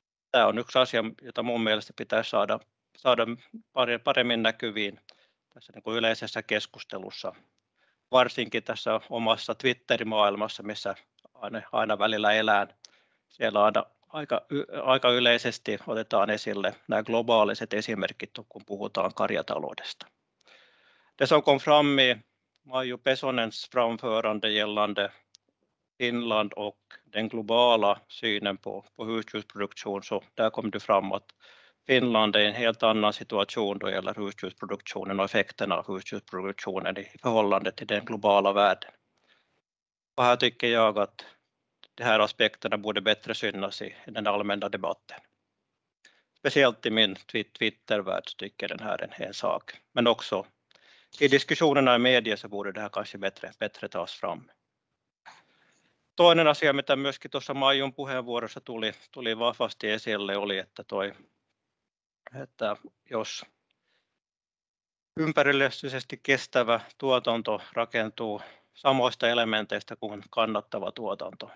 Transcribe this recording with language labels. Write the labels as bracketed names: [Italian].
[Finnish] Tämä on yksi asia, jota mun mielestä pitäisi saada paremmin näkyviin tässä niin kuin yleisessä keskustelussa, varsinkin tässä omassa Twitter-maailmassa, missä aina välillä elään. Siellä aina aika yleisesti otetaan esille nämä globaaliset esimerkit, kun puhutaan karjataloudesta. [Swedish] Det som kom fram i Maju Pesonens framförande gällande Finland och den globala synen på husdjursproduktion, så där kom det fram att Finland är en helt annan situation då gäller husdjursproduktionen och effekterna av husdjursproduktionen i förhållande till den globala världen. Och här tycker jag att de här aspekterna borde bättre synas i den allmänna debatten. Speciellt i min Twitter-värld tycker den här en sak. Men också i diskussionerna i media så borde det här kanske bättre tas fram. [Finnish] Toinen asia, mitä myöskin tuossa Maijun puheenvuorossa tuli vahvasti esille, oli, että jos ympärillisesti kestävä tuotanto rakentuu samoista elementeistä kuin kannattava tuotanto.